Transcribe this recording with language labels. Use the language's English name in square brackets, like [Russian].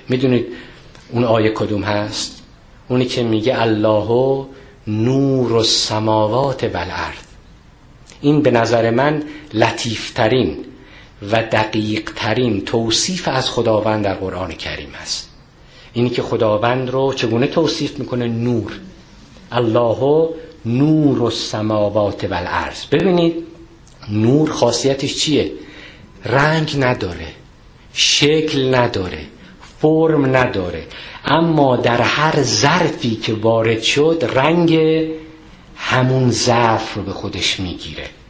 [Persian] میدونید اون آیه کدوم هست؟ اونی که میگه [Arabic] الله نور السماوات والارض. [Persian] این به نظر من لطیفترین و دقیقترین توصیف از خداوند در قرآن کریم است. اینی که خداوند رو چگونه توصیف میکنه؟ نور. [Arabic] الله نور السماوات والارض. [Persian] ببینید نور خاصیتش چیه؟ رنگ نداره، شکل نداره، فرم نداره، اما در هر ظرفی که وارد شد رنگ همون ظرف رو به خودش میگیره.